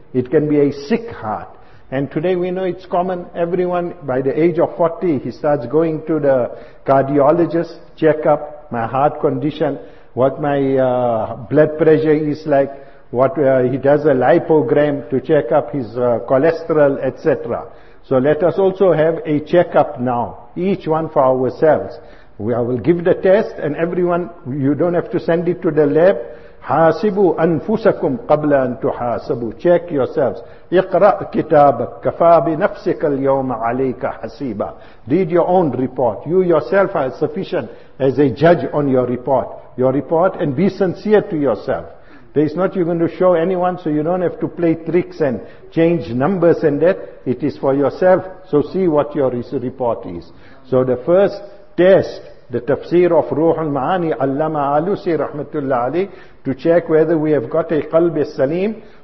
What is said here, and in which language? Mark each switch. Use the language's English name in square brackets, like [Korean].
[English] It can be a sick heart. And today we know it's common, everyone by the age of 40, he starts going to the cardiologist, check up my heart condition, what my blood pressure is like, he does a lipogram to check up his cholesterol, etc. So let us also have a checkup now, each one for ourselves. I will give the test, and everyone, you don't have to send it to the lab. [Arabic] حاسبوا أنفسكم قبل أن تحاسبوا. [English] Check yourselves. [Arabic] اقرأ كتابك. كفى بنفسك اليوم عليك حسيبا. [English] Read your own report. You yourself are sufficient as a judge on your report. Your report, and be sincere to yourself. There is not you going to show anyone, so you don't have to play tricks and change numbers and that. It is for yourself. So see what your report is. So the first test, the tafsir of Ruh al-Ma'ani, Allama Alusi Rahmatullah Ali, to check whether we have got a qalb as-salim.